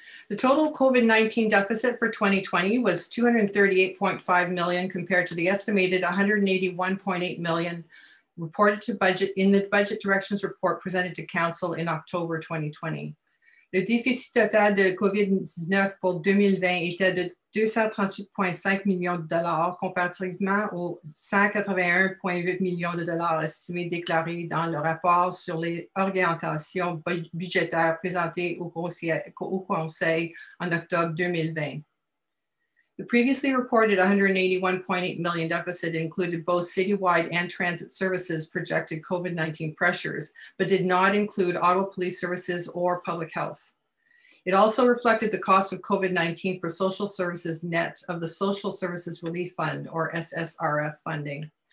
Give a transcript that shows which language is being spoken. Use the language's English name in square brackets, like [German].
[English] The total COVID-19 deficit for 2020 was 238.5 million compared to the estimated 181.8 million reported to budget in the budget directions report presented to council in October 2020. [French] Le déficit total de COVID-19 pour 2020 était de 238.5 millions de dollars comparativement aux 181.8 millions de dollars estimés déclarés dans le rapport sur les orientations budgétaires présentées au Conseil en octobre 2020. [English] The previously reported 181.8 million deficit included both citywide and transit services projected COVID-19 pressures, but did not include auto police services or public health. It also reflected the cost of COVID-19 for social services net of the Social Services Relief Fund, or SSRF, funding.